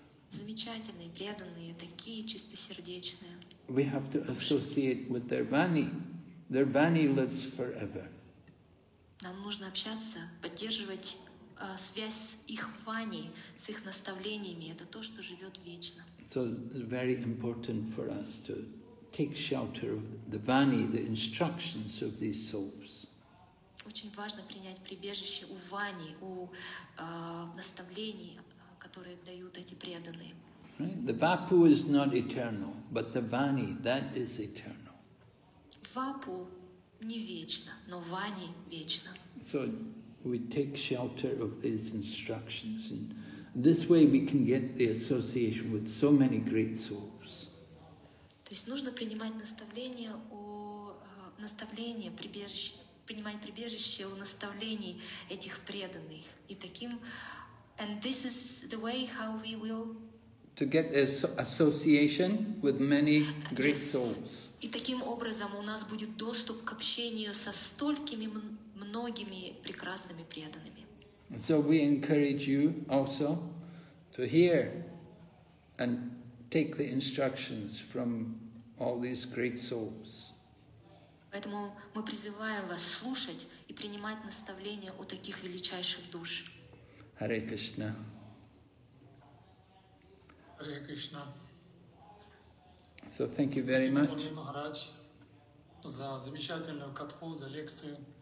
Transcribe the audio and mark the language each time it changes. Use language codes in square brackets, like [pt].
[ru] Замечательные, преданные, такие чистосердечные. [en] We have to associate with their vani. Their vani lives forever. [ru] Нам нужно общаться, поддерживать связь с их вани, с их наставлениями. Это то, что живет вечно. [en] So very important for us to take shelter of the vani, the instructions of these souls. [ru] Очень важно принять прибежище у вани, у наставлений, которые дают эти преданные. [en] The vapu is not eternal, but the vani, that is eternal. [ru] Vapu не вечно, но вани вечно. [en] So we take shelter of these instructions, and this way we can get the association with so many great souls. [ru] То есть нужно принимать наставления о наставления, прибежище, принимать прибежище у наставлений этих преданных. И таким, [en] and this is the way how we will to get an association with many great souls. [ru] И таким образом у нас будет доступ к общению со столькими многими прекрасными преданными. [en] So we encourage you also to hear and take the instructions from all these great souls. [ru] Поэтому мы призываем вас слушать и принимать наставления у таких величайших душ. [en] Hare Krishna. Hare Krishna. So thank you very much. [ru] Спасибо, Мурли Махарадж, за замечательную катху, за лекцию.